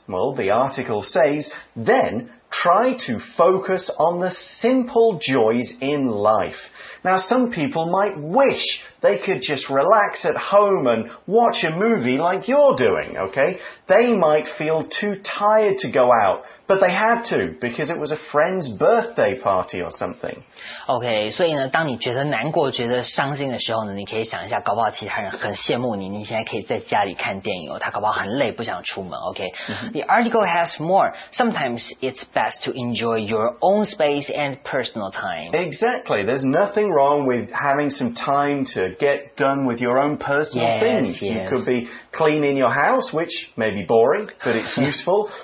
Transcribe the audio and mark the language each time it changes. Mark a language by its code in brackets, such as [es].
[en] Well, the article says, then,Try to focus on the simple joys in life. Now, some people might wish they could just relax at home and watch a movie like you're doing, okay? They might feel too tired to go out, but they had to because it was a friend's birthday party or something. [zh] Okay, 所以呢，当你觉得难过、觉得伤心的时候呢，你可以想一下，搞不好其他人很羡慕你，你现在可以在家里看电影哦。他搞不好很累，不想出门。 [en] Okay,、the article has more. Sometimes it's best to enjoy your own space and personal time. Exactly. There's nothing wrong with having some time to get done with your own personal things. Yes. You could be cleaning your house, which may be boring, but it's useful.